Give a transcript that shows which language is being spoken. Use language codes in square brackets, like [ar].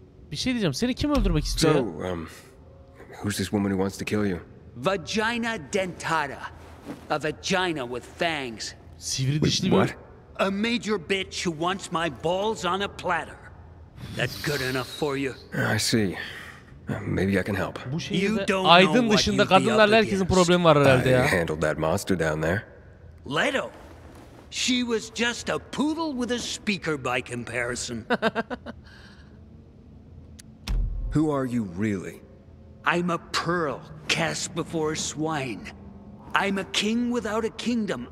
[tr] Bir şey diyeceğim. Seni kim öldürmek istiyor? [en] So, who's this woman who wants to kill you? Vagina dentata. A vagina with fangs. [tr] Sivri dişli mi? [en] What? A major bitch who wants my balls on a platter. That good enough for you? I see. Maybe I can help. [tr] Bu şehirde aydın dışında kadınlarla herkesin problemi var herhalde ya. [en] I handled that monster down there. Leto. She was just a poodle with a speaker by comparison. Who are you really? I'm a pearl cast before swine. I'm a king without a kingdom.